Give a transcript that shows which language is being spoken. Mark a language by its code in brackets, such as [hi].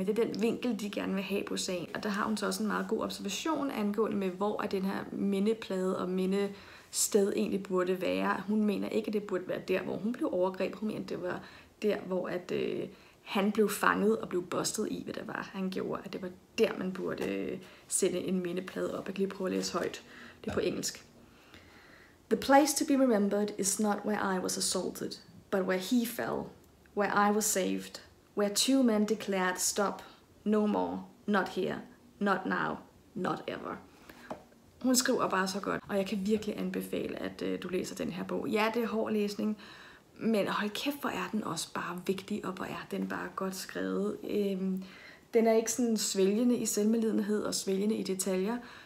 [da] Men det er den vinkel, de gerne vil have på sagen. Og der har hun så også en meget god observation angående med, hvor er den her mindeplade og minde sted egentlig burde være. Hun mener ikke, at det burde være der, hvor hun blev overgrebet. Hun mener, at det var der, hvor han blev fanget og blev bustet i, hvad det var, han gjorde. At det var der, man burde sætte en mindeplade op. Jeg kan lige prøve at læse højt. Det er på engelsk. [en] The place to be remembered is not where I was assaulted, but where he fell, where I was saved, where two men declared stop, no more, not here, not now, not ever. [da] Hun skriver bare så godt, og jeg kan virkelig anbefale, at du læser den her bog. Ja, det er hård læsning, men hold kæft, hvor er den også bare vigtig, og hvor er den bare godt skrevet. Den er ikke sådan svælgende i selvmedlidenhed og svælgende i detaljer.